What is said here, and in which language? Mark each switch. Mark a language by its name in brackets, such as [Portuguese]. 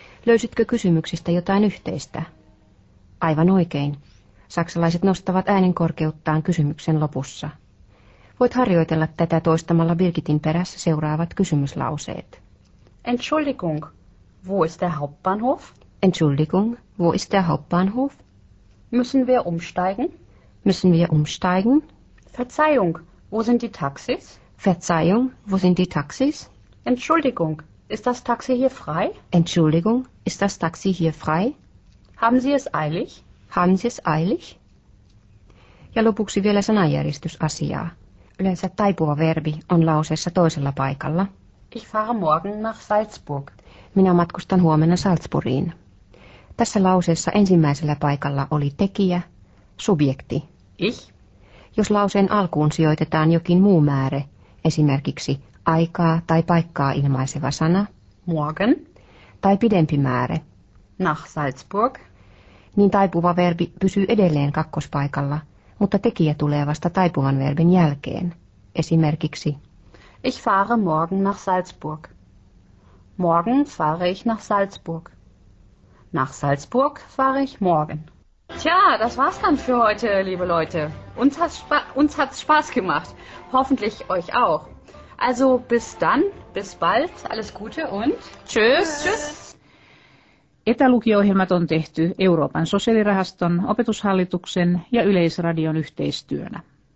[Finnish] Löysitkö kysymyksistä jotain yhteistä? Aivan oikein. Saksalaiset nostavat äänen korkeuttaan kysymyksen lopussa. Voit harjoitella tätä toistamalla Birgitin perässä seuraavat kysymyslauseet. [German] Entschuldigung, wo ist der Hauptbahnhof? Entschuldigung, wo ist der Hauptbahnhof? Müssen wir umsteigen? Müssen wir umsteigen? Verzeihung, wo sind die Taxis? Verzeihung, wo sind die Taxis? Entschuldigung, ist das Taxi hier frei? Entschuldigung, ist das Taxi hier frei? Haben Sie es eilig? Haben Sie es eilig? [Finnish] Ja lopuksi vielä sanajärjestysasiaa. Yleensä taipua verbi on lauseessa toisella paikalla. [German] Ich fahre morgen nach Salzburg. [Finnish] Minä matkustan huomenna Salzburgiin. Tässä lauseessa ensimmäisellä paikalla oli tekijä, subjekti. [German] Ich. [Finnish] Jos lauseen alkuun sijoitetaan jokin muu määre, esimerkiksi aikaa tai paikkaa ilmaiseva sana. [German] Morgen. [Finnish] Tai pidempi määre. [German] Nach Salzburg. [Finnish] niin taipuva verbi pysyy edelleen kakkospaikalla, mutta tekijä tulee vasta taipuvan verbin jälkeen. Esimerkiksi: [German] Ich fahre morgen nach Salzburg. Morgen fahre ich nach Salzburg. Nach Salzburg fahre ich morgen. Tja, das war's dann für heute, liebe Leute. Uns hat's Spaß gemacht. Hoffentlich euch auch. Also bis dann, bis bald, alles Gute und tschüss. Tschüss. [Finnish] Etälukio-ohjelmat on tehty Euroopan sosiaalirahaston, opetushallituksen ja Yleisradion yhteistyönä.